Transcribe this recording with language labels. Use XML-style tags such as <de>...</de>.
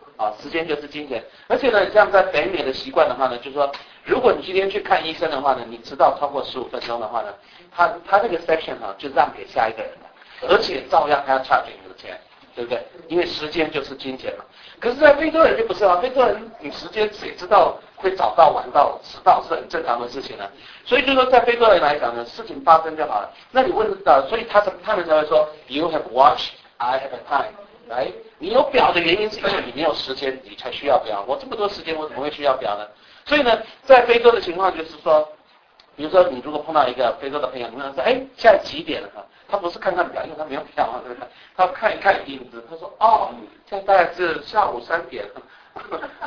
<zh>啊，时间就是金钱。而且呢，像在北美的习惯的话呢，就是说，如果你今天去看医生的话呢，你迟到超过15分钟的话呢，他那个 section 呢、啊、就让给下一个人了，而且照样还要 charge 你的钱。对不对？因为时间就是金钱嘛。可是，在非洲人就不是啊。非洲人，你时间谁知道会早到晚到，迟到是很正常的事情呢、啊。所以就说，在非洲人来讲呢，事情发生就好了。那你问所以他们才会说 ，</zh> <en>You have watch, I have a time， right？</en> <zh>你有表的原因是因为你没有时间，你才需要表。我这么多时间，我怎么会需要表呢？所以呢，在非洲的情况就是说，比如说你如果碰到一个非洲的朋友，你问他说，哎，现在几点了？他不是看看表，因为他没有表啊，对不对？他看一看影子，他说：“哦，现在大概是下午3点。”</zh>